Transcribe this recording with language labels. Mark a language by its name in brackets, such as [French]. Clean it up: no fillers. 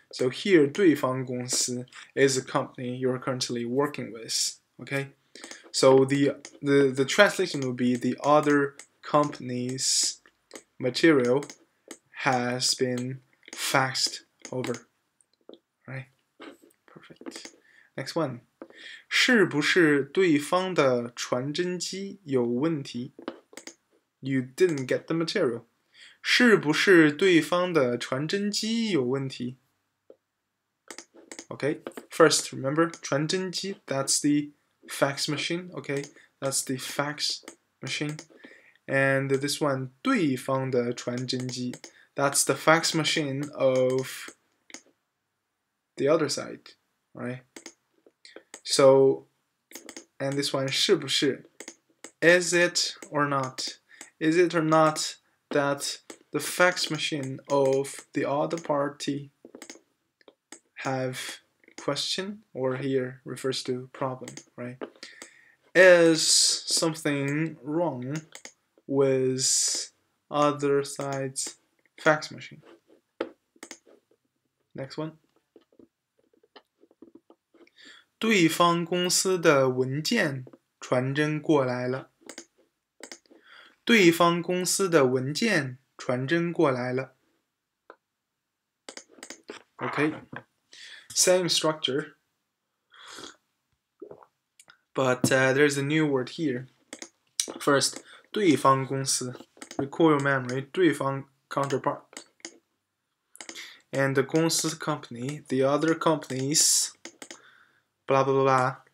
[English] So here, [Chinese] 对方公司 [English] is a company you're currently working with. Okay, so the translation would be the other company's material has been faxed over. Right? Perfect. Next one. [Chinese] 是不是对方的传真机有问题? [English] You didn't get the material. [Chinese] 是不是对方的传真机有问题? [English] Okay, first, remember, 传真机, that's the fax machine. Okay, that's the fax machine. And this one, [Chinese] 对方的传真机, [English] that's the fax machine of the other side, right? So, and this one, [Chinese] 是不是? [English] Is it or not? Is it or not that the fax machine of the other party have question or here refers to problem, right? Is something wrong with other side's fax machine? Next one. [Chinese] 对方公司的文件传真过来了。对方公司的文件传真过来了。 [English] Okay, same structure, but there's a new word here. First, 对方公司 recall memory, 对方 counterpart, and the 公司 company, the other companies. Blah, blah, blah, blah.